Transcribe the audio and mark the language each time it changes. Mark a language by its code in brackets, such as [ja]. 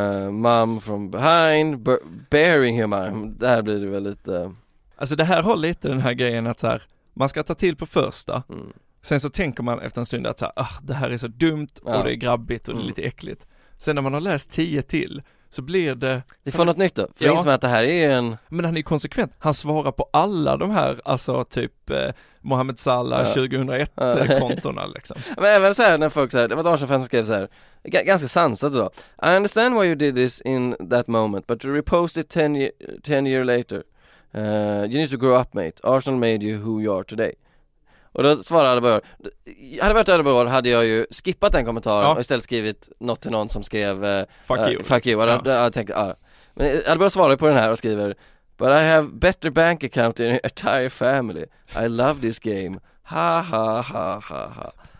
[en] Mom from behind, bearing your mom. [sv] Där blir det väl lite... Alltså det här har lite den här grejen att så här, man ska ta till på första. Sen så tänker man efter en stund att så här, det här är så dumt och det är grabbigt och det är lite äckligt. Sen när man har läst 10 till så blir det... Vi får något nytt då, för det är som att det här är en... Men han är konsekvent, han svarar på alla de här, alltså typ Mohamed Salah 2001-kontorna liksom. Men även så här när folk säger, det var ett Arsenal-fan som skrev så här, ganska sansat då. [en] I understand why you did this in that moment, but to repost it 10 years later. You need to grow up, mate. Arsenal made you who you are today. [sv] Och då svarade Adebayor. Hade varit Adebayor hade jag ju skippat den kommentaren och istället skrivit något till någon som skrev [en] fuck you. [sv] Men Adebayor svarade på den här och skriver, [en] but I have better bank account than your entire family. I love this game. Ha ha ha ha ha.